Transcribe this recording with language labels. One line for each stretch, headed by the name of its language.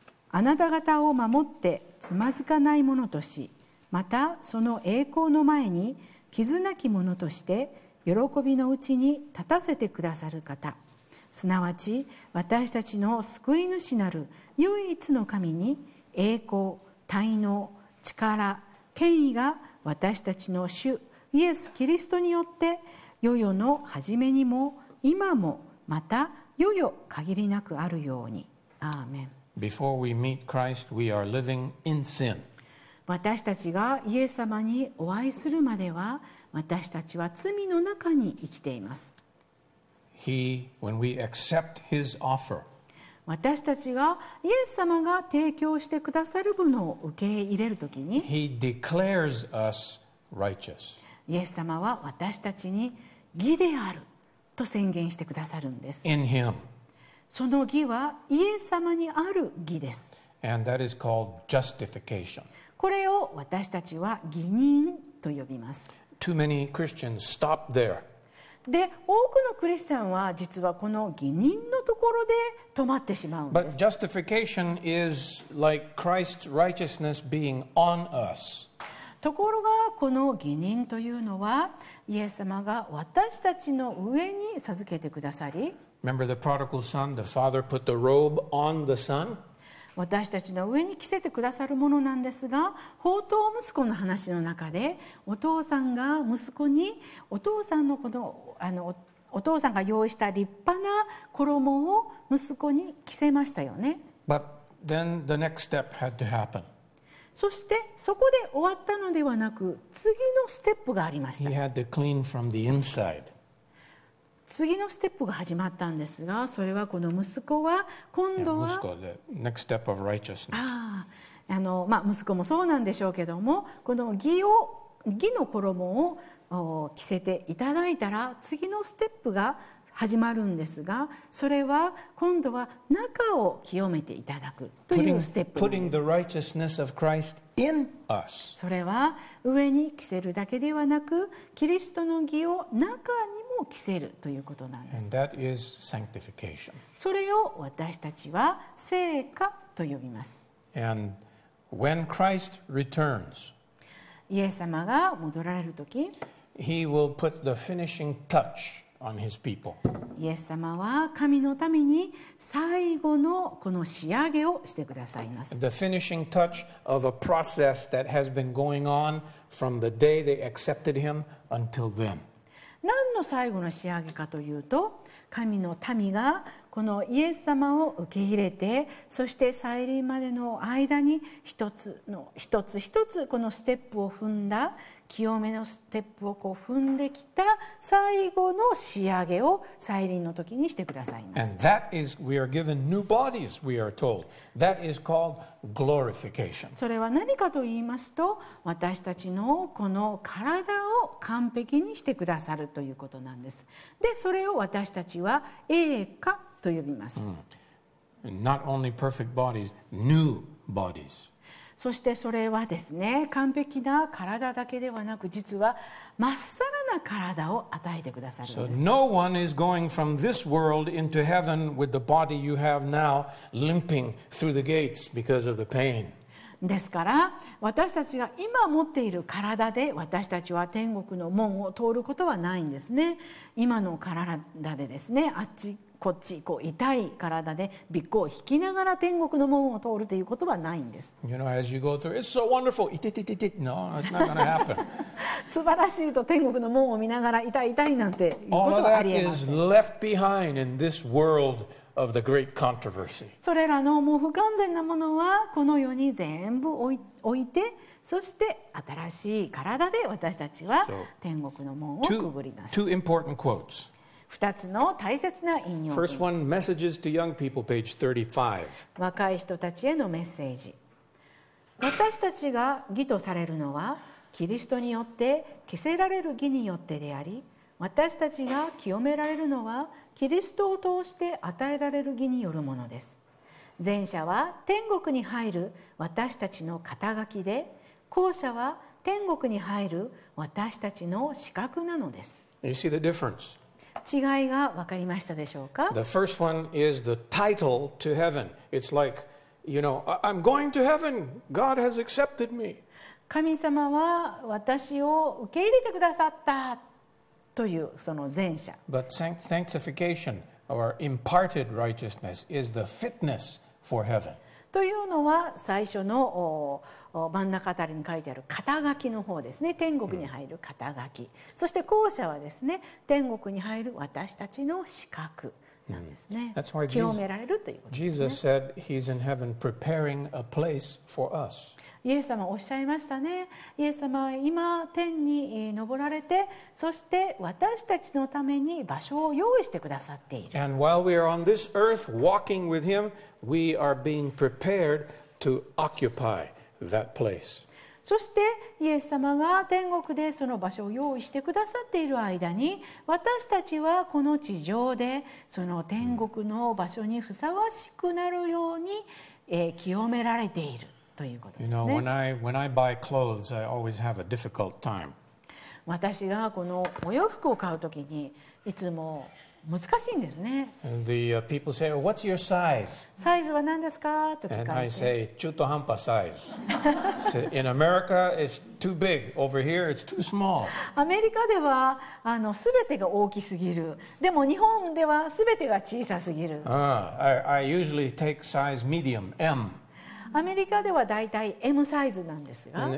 Japanese: あなた方を守ってつまずかないものとしまたその栄光の前に傷なきものとして喜びのうちに立たせてくださる方すなわち私たちの救い主なる唯一の神に栄光、大能、力、権威が私たちの主イエス・キリストによって世々の初めにも今もまた、よよ限りなくあるように。アーメン。
English: Before we meet Christ, we are living in sin.
Japanese: 私たちがイエス様にお会いするまでは、私たちは罪の中に生きています。
English: He, when we accept his offer,
Japanese: 私たちがイエス様が提供してくださるものを受け入れるときに、
English: He declares us righteous.
Japanese: イエス様は私たちに義である。と宣言してくださるんです。
English: In him.
Japanese: その義はイエス様にある義です。
English: And that is called justification.
Japanese: これを私たちは義人と呼びます。
English: Too many Christians stop there.
Japanese: で、多くのクリスチャンは実はこの義人のところで止まってしまうんです。
English: But justification is like Christ's righteousness being on us.
Japanese: ところがこの義人というのはイエス様が私たちの上に授けてくださり、
English: Remember the prodigal son, the father put the robe on the son?
Japanese: 私たちの上に着せてくださるものなんですが、放蕩息子の話の中でお父さんが息子にお父さんのこの、お父さんが用意した立派な衣を息子に着せましたよね。
English: But then the next step had to happen.
Japanese: そしてそこで終わったのではなく、次のステップがありました。
English: He had to clean from the inside.
Japanese: 次のステップが始まったんですが、それはこの息子は今度は、息子、
English: the next step of righteousness.
Japanese: まあ息子もそうなんでしょうけども、この義の衣を着せていただいたら次のステップが始まるんですが、それは今度は中を清めていただくというステップです。
English: putting the righteousness of Christ in us.
Japanese: それは上に着せるだけではなく、キリストの義を中にも着せるということなんです。
English: And that is sanctification.
Japanese: それを私たちは聖化と呼びます。
English: And when Christ returns,
Japanese: イエス様が戻られるとき、
English: He will put the finishing touch on his people.
Japanese: イエス様は神のために最後のこの仕上げをしてくださいます。
English: The finishing touch of a process that has been going on from the day they accepted him until then.
Japanese: 何の最後の仕上げかというと、神の民がこのイエス様を受け入れて、そして再臨までの間に一つ一つこのステップを踏んだ、清めのステップをこう踏んできた最後の仕上げを再臨の時にしてくださいます。
English: And that is, we are given new bodies, we are told. That is called glorification.
Japanese: それは何かと言いますと、私たちのこの体を完璧にしてくださるということなんです。で、それを私たちは栄華と呼びます。
English: Not only perfect bodies, new bodies.
Japanese: そしてそれはですね、完璧な体だけではなく、実はまっさらな体を与えてくださるんです。
English: So no one is going from this world into heaven with the body you have now limping through the gates because of the pain.
Japanese: ですから私たちが今持っている体で私たちは天国の門を通ることはないんですね。今の体でですね、あっちこっちこう痛い体でびっこを引きながら天国の門を通るということはないんです。
English: You know, as you go through, it's so wonderful. It, it, it, it. No, it's not going to happen.
Japanese: 素晴らしいと天国の門を見ながら痛い痛いなんていうことはありえません。
English: All of that is left behind in this world of the great controversy.
Japanese: それらのもう不完全なものはこの世に全部置いて、そして新しい体で私たちは天国の門をくぐります。
English: two important quotes.
Japanese: 2つの大切な引用。
English: First one, messages to young people, page 35.
Japanese: 若い人たちへのメッセージ。私たちが義とされるのはキリストによって着せられる義によってであり、私たちが清められるのはキリストを通して与えられる義によるものです。前者は天国に入る私たちの肩書きで、後者は天国に入る私たちの資格なのです。
English: You see the difference?
Japanese: 違いが分かりましたでしょうか。
English: The first one is the title to heaven. It's like, you know, I'm going to heaven. God has accepted me.
Japanese: 神様は私を受け入れてくださったというその前者。
English: But sanctification or imparted righteousness is the fitness for heaven.
Japanese: というのは最初の真ん中あたりに書いてある肩書きの方ですね。天国に入る肩書き、そして後者はですね、天国に入る私たちの資格なんですね。
English: That's why
Japanese: Jesus, 清められるということですね。
English: Jesus said he's in heaven preparing a place for us.
Japanese: イエス様おっしゃいましたね。イエス様は今天に昇られて、そして私たちのために場所を用意してくださっている。
English: And while we are on this earth walking with him, we are being prepared to occupyThat place.
Japanese: そしてイエス様が天国でその場所を用意してくださっている間に、私たちはこの地上でその天国の場所にふさわしくなるように、清められているということですね。
English: You know, when I buy clothes, I always have a difficult time.
Japanese: 私がこのお洋服を買うときにいつも難しいんですね。
English: The people say, oh, what's your size?
Japanese: サイズは何ですかと聞かれて。
English: And I say,
Japanese: 中途半端
English: size. So in America, it's too big. Over here, it's too small.
Japanese: アメリカでは、すべてが大きすぎる。でも日本ではすべてが小さすぎる。
English: I usually take size medium, M.
Japanese: アメリカではだいたい M サイズなんですが、